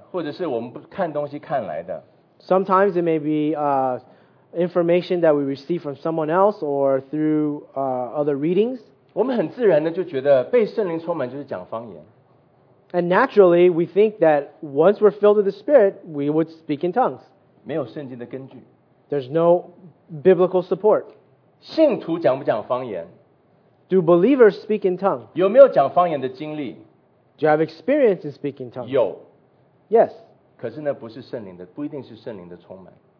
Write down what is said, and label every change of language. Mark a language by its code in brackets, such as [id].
[zh] 可能是我们听别人听来的，或者是我们不看东西看来的。 [en] Sometimes it may be information that we receive from someone else or through other readings. [zh] 我们很自然的就觉得被圣灵充满就是讲方言。 [en] And naturally, we think that once we're filled with the Spirit, we would speak in tongues. [zh] 没有圣经的根据。 [en] There's no biblical support. [zh] 信徒讲不讲方言？ [en] Do believers speak in tongues? [zh] 有没有讲方言的经历？ [en] Do you have experience in speaking tongues? [zh] 有。 [en] Yes. [zh] 可是那不是圣灵的, 不一定是圣灵的充满。